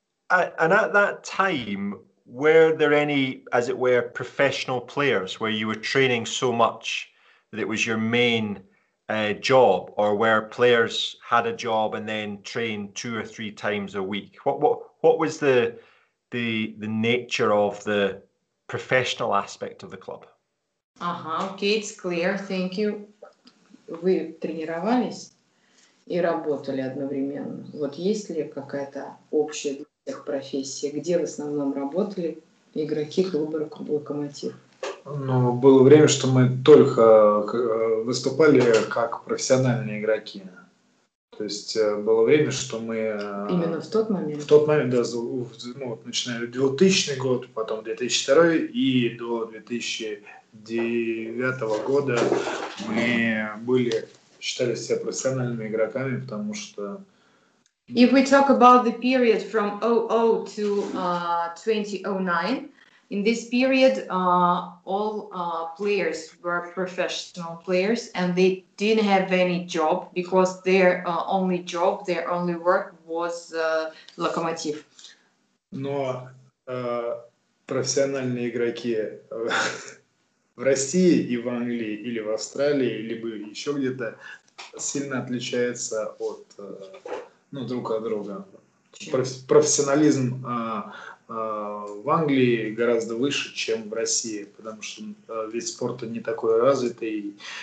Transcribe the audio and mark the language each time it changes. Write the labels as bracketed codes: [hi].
[en] And at that time, were there any, as it were, professional players where you were training so much that it was your main job, or where players had a job and then trained two or three times a week? What was the nature of the professional aspect of the club? Okay, it's clear. Thank you. [ru] Вы тренировались и работали одновременно. Вот есть ли какая-то общая тех профессий, где в основном работали игроки клуба «Локомотив»? Ну, было время, что мы только выступали как профессиональные игроки. То есть было время, что мы... Именно в тот момент? В тот момент, да, ну, вот, начиная в 2000 год, потом 2002 и до 2009 года мы были, считали себя профессиональными игроками, потому что... [en] If we talk about the period from 00 to 2009, in this period all players were professional players and they didn't have any job because their only job, their only work was Lokomotiv. [ru] Но профессиональные игроки в России и в Англии или в Австралии либо еще где-то сильно отличаются от... Ну, друг от друга. Профессионализм в Англии гораздо выше, чем в России, потому что вид спорта не такой развитый.